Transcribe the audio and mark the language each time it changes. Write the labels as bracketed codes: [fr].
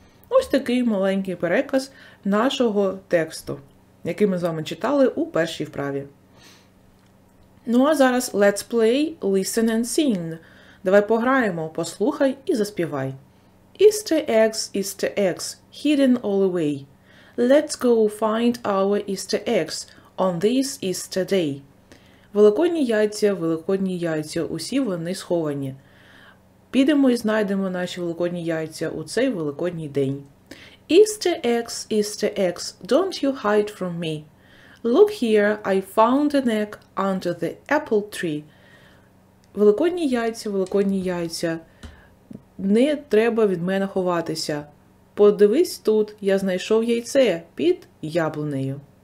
[uk] Ось такий маленький переказ нашого тексту, який ми з вами читали у першій вправі. Ну а зараз [en] let's play, listen and sing. [uk] Давай пограємо, послухай і заспівай. [en] Easter eggs, hidden all away. Let's go find our Easter eggs on this Easter day. [uk] Великодні яйця, усі вони сховані. Підемо і знайдемо наші великодні яйця у цей великодній день. [en] Easter eggs, don't you hide from me. Look here, I found an egg under the apple tree. [uk] Великодні яйця, не треба від мене ховатися. Подивись тут, я знайшов яйце під яблунею.